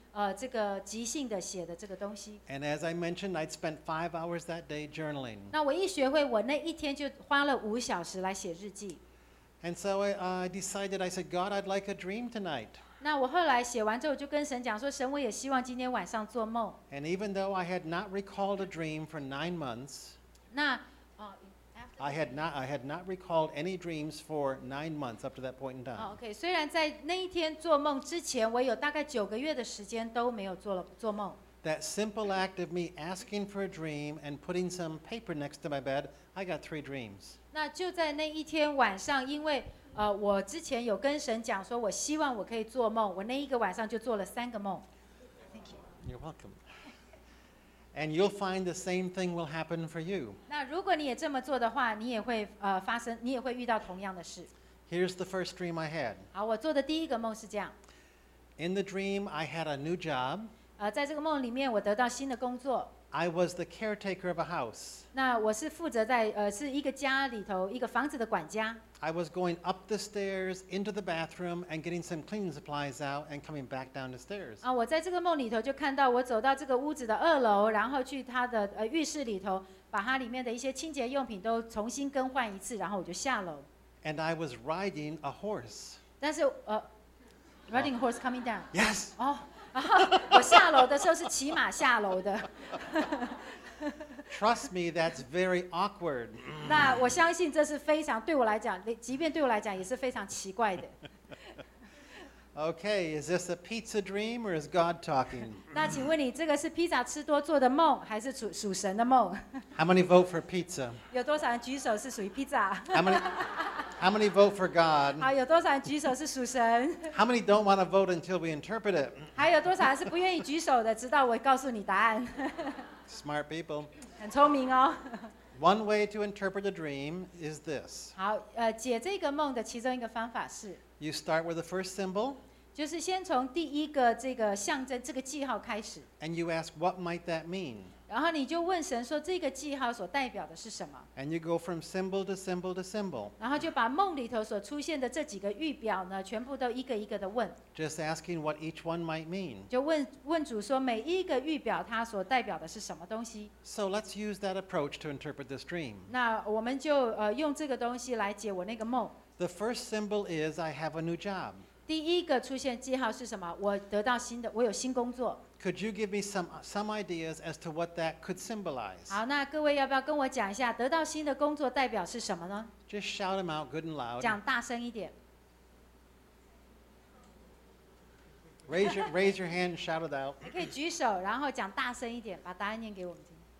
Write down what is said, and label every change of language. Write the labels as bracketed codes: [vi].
[zh] 然后也学会这个水流以及就是这个即兴的写的这个东西。 [en] And as I mentioned, I'd spent 5 hours that day journaling. [zh] 那我一学会我那一天就花了5小时来写日记。 [en] And so I decided, I said, God, I'd like a dream tonight. [zh] 那我后来写完之后就跟神讲说神我也希望今天晚上做梦。 [en] And even though I had not recalled a dream for 9 months, 那, I had not recalled any dreams for 9 months up to that point in time. [zh] Okay, 虽然在那一天做梦之前,我有大概9个月的时间都没有做梦。 [en] That simple act of me asking for a dream and putting some paper next to my bed, I got 3 dreams. [zh] 那就在那一天晚上,因为我之前有跟神讲说我希望我可以做梦，我那一个晚上就做了三个梦。 [en] Thank you. You're welcome. And you'll find the same thing will happen for you. [zh] 那如果你也这么做的话，你也会发生，你也会遇到同样的事。 [en] Here's the first dream I had. [zh] 好，我做的第一个梦是这样。 [en] In the dream, I had a new job. [zh] 在这个梦里面，我得到新的工作。 [en] I was the caretaker of a house. [zh] 那我是负责在是一个家里头一个房子的管家。 [en] I was going up the stairs into the bathroom and getting some cleaning supplies out and coming back down the stairs. [zh] 我在这个梦里头就看到我走到这个屋子的二楼，然后去他的浴室里头，把他里面的一些清洁用品都重新更换一次，然后我就下楼。 [en] And I was riding a horse. [zh] 但是 [en] riding a horse coming down. Yes. 哦。 [zh] 然后我下楼的时候是骑马下楼的。 [en] Trust me, that's very awkward. [zh] 那我相信这是非常对我来讲，即便对我来讲也是非常奇怪的。 [en] Okay, is this a pizza dream or is God talking? [zh] 那请问你，这个是披萨吃多做的梦，还是属神的梦？ [en] How many vote for pizza? [zh] 有多少人举手是属于披萨？ [en] How many vote for God? [zh] 好，有多少人举手是属神？ [en] How many don't want to vote until we interpret it? [zh] 还有多少人是不愿意举手的，直到我告诉你答案？ [en] Smart people. [zh] 很聪明哦。 [en] One way to interpret a dream is this. [zh] 好，解这个梦的其中一个方法是。 [en] You start with the first symbol. [zh] 就是先从第一个这个象征，这个记号开始。 [en] And you ask, what might that mean? [zh] 然后你就问神说，这个记号所代表的是什么？ [en] And you go from symbol to symbol to symbol. [zh] 然后就把梦里头所出现的这几个预表呢，全部都一个一个的问。 [en] Just asking what each one might mean. [zh] 就问主说，每一个预表它所代表的是什么东西？ [en] So let's use that approach to interpret this dream. [zh] 那我们就用这个东西来解我那个梦。 [en] The first symbol is I have a new job. [zh] 第一个出现记号是什么？我得到新的，我有新工作。 [en] Could you give me some ideas as to what that could symbolize? [zh] 好，那各位要不要跟我讲一下得到新的工作代表是什么呢？ [en] Just shout them out good and loud. [zh] 讲大声一点。 [en] Raise your hand and shout it out. [zh] 你可以举手，然后讲大声一点，把答案念给我们听。